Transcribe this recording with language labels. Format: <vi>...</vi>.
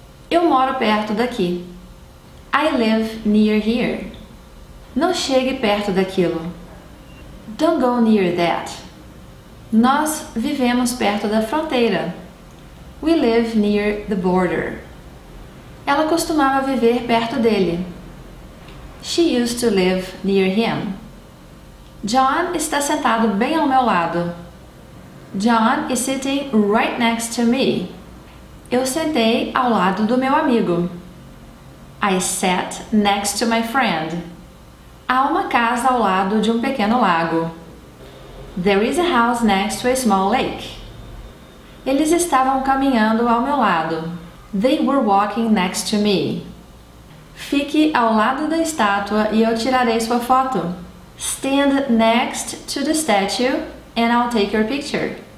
<pt>Eu moro perto daqui.</pt> <en>I live near here.</en> <pt>Não chegue perto daquilo.</pt> <en>Don't go near that.</en> <pt>Nós vivemos perto da fronteira.</pt> <en>We live near the border.</en> <pt>Ela costumava viver perto dele.</pt> <en>She used to live near him.</en> <pt>John está sentado bem ao meu lado.</pt> <en>John is sitting right next to me.</en> <pt>Eu sentei ao lado do meu amigo.</pt> <en>I sat next to my friend.</en> <pt>Há uma casa ao lado de um pequeno lago.</pt> <en>There is a house next to a small lake.</en> <pt>Eles estavam caminhando ao meu lado.</pt> <en>They were walking next to me.</en> <pt>Fique ao lado da estátua e eu tirarei sua foto.</pt> <en>Stand next to the statue and I'll take your picture.</en>